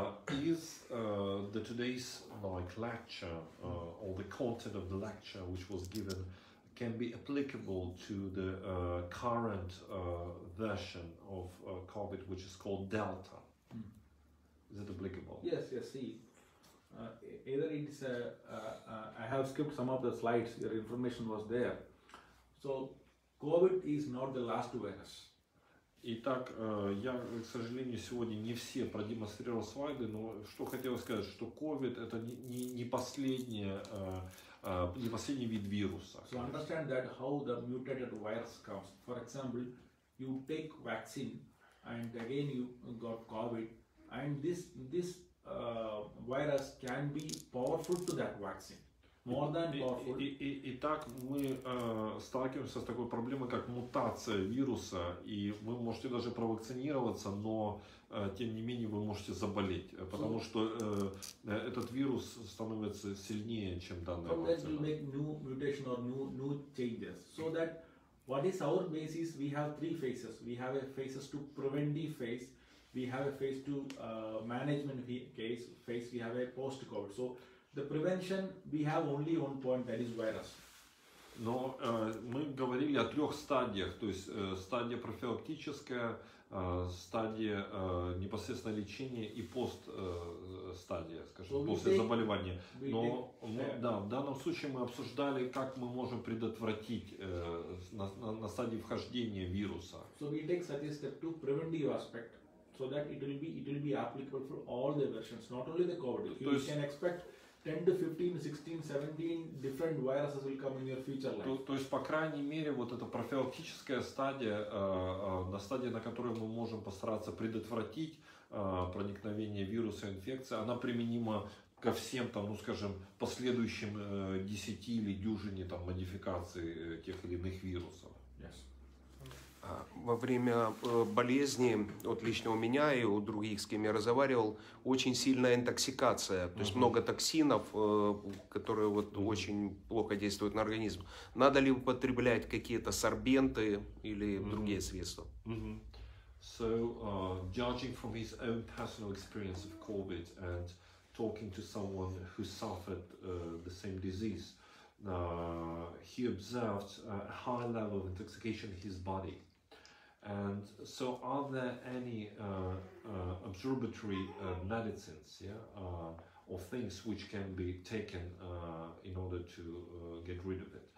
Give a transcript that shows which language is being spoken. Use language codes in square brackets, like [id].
[en] Is the today's like lecture or the content of the lecture which was given can be applicable to the current version of COVID, which is called Delta. Mm. Is it applicable? Yes, see. Either it's I have skipped some of the slides, your information was there. So, COVID is not the last virus. [ru] Итак, я, к сожалению, сегодня не все продемонстрировал слайды, но что хотел сказать, что COVID это не последний вид вируса. [en] So understand that how the mutated virus comes. For example, you take vaccine and again you got COVID and this virus can be powerful to that vaccine. [ru] Итак, мы сталкиваемся с такой проблемой, как мутация вируса, и вы можете даже провакцинироваться, но тем не менее вы можете заболеть, потому что этот вирус становится сильнее, чем данная вакцина. [en] So that will make new mutation or new changes. So that what is our basis? We have three phases. We have a phases to preventive phase. We have a phase to management phase. We have a post COVID. So the prevention, we have only one point, that is virus. [ru] Но мы говорили о трех стадиях, то есть стадия профилактическая, стадия непосредственно лечения и пост стадия, скажем, so после заболевания. Но да, в данном случае мы обсуждали, как мы можем предотвратить на стадии вхождения вируса. [en] So we take statistics to preventive aspect, so that it will be applicable for all the versions, not only the COVID. You can expect 10 to 15, 16, 17 different viruses will come in your future life. [ru] То есть, по крайней мере, вот эта профилактическая стадия, на стадии, на которой мы можем постараться предотвратить проникновение вируса инфекции, она применима ко всем, там, ну скажем, последующим 10 или дюжине там, модификаций тех или иных вирусов. [en] Yes. [ru] Во время болезни, вот лично у меня и у других, с кем я разговаривал, очень сильная интоксикация. То есть много токсинов, которые вот очень плохо действуют на организм. Надо ли употреблять какие-то сорбенты или другие средства? [en] So, judging from his own personal experience of COVID and talking to someone who suffered the same disease, he observed a high level of intoxication in his body. And so are there any observatory medicines or things which can be taken in order to get rid of it?